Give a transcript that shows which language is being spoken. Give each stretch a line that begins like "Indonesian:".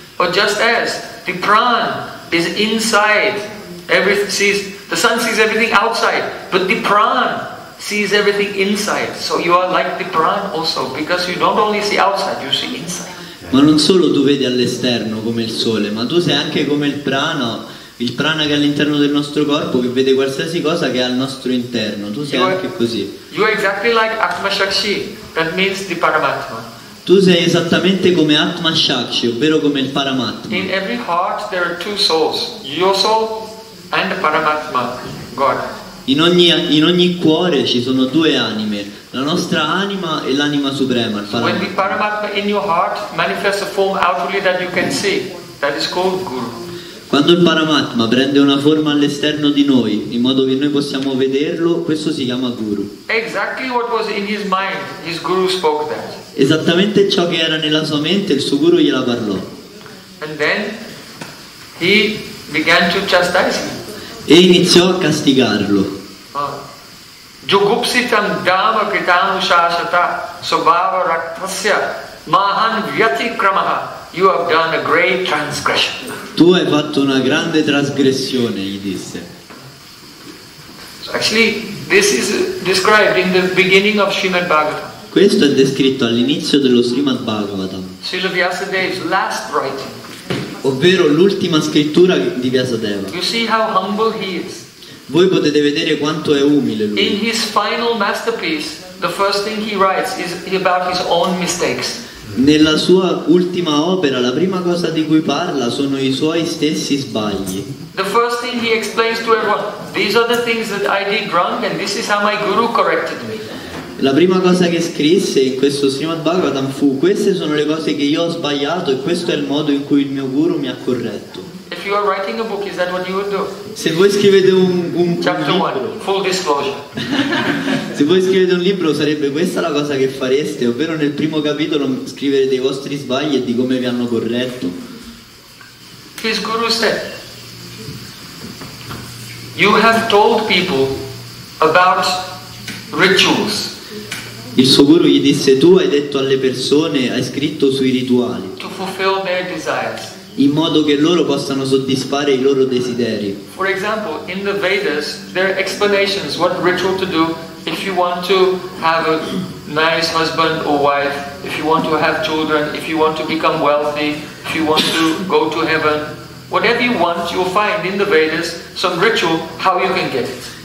English: Or just as the pran is inside, everything sees, the sun sees everything outside, but the pran sees everything inside. So you are like the pran also, because you don't only see outside, you see inside.
Italian: Ma non solo tu vedi all'esterno come il sole, ma tu sei anche come il prana che è all'interno del nostro corpo, che vede qualsiasi cosa che è al nostro interno. Tu sei anche così.
English: You are exactly like Atma Shakshi, that means the Paramatma.
Italian: Tu sei esattamente come Atma Shakshi, ovvero come il Paramatma.
English: In every heart there are two souls, your soul and the Paramatma, God.
Italian: In ogni cuore ci sono due anime, la nostra anima e l'anima suprema, il Paramatma.
English: When the Paramatma in your heart manifests a form outwardly that you can see, that is called Guru.
Italian: Quando il Paramatma prende una forma all'esterno di noi, in modo che noi possiamo vederlo, questo si chiama Guru.
English: Exactly what was in his mind, his guru spoke that.
Italian: Esattamente ciò che era nella sua mente, il suo guru gliela parlò.
English: And then he began to chastise him.
Italian: E iniziò a castigarlo.
Sanskrit: Jugupsitam dama kritam shashata sobhava raktasya mahan vyatikramaha.
English: You have done a great transgression.
Italian: Tu hai fatto una grande trasgressione, gli disse.
English: So actually, this is described in the beginning of Srimad Bhagavatam.
Italian: Questo è descritto all'inizio dello Srimad Bhagavatam.
English: Srila Vyasadeva's last writing.
Italian: Ovvero l'ultima scrittura di Vyasadeva.
English: You see how humble he is.
Italian: Voi potete vedere quanto è umile lui.
English: In his final masterpiece, the first thing he writes is about his own mistakes.
Italian: Nella sua ultima opera, la prima cosa di cui parla sono i suoi stessi sbagli.
English: The first thing he explains to everyone, these are the things that I did wrong and this is how my guru corrected me.
Italian: La prima cosa che scrisse in questo Srimad Bhagavatam fu: queste sono le cose che io ho sbagliato e questo è il modo in cui il mio guru mi ha corretto.
English: If you are writing a book, is that what you would do?
Italian: Se voi scrivete un
English: chapter
Italian: libro,
English: one, full disclosure.
Italian: Se voi scrivete un libro, sarebbe questa la cosa che fareste, ovvero nel primo capitolo scriverete i vostri sbagli e di come vi hanno corretto.
English: His guru said, you have told people about rituals.
Italian: Il suo guru gli disse: tu hai detto alle persone, hai scritto sui rituali,
English: to fulfill their desires.
Italian: In modo che loro possano soddisfare i loro desideri.
English: For example, in the Vedas there are explanations what ritual to do if you want to have a nice husband or wife, if you want to have children, if you want to become wealthy, if you want to go to heaven. Whatever you want, you'll find in the Vedas some ritual how you can get it.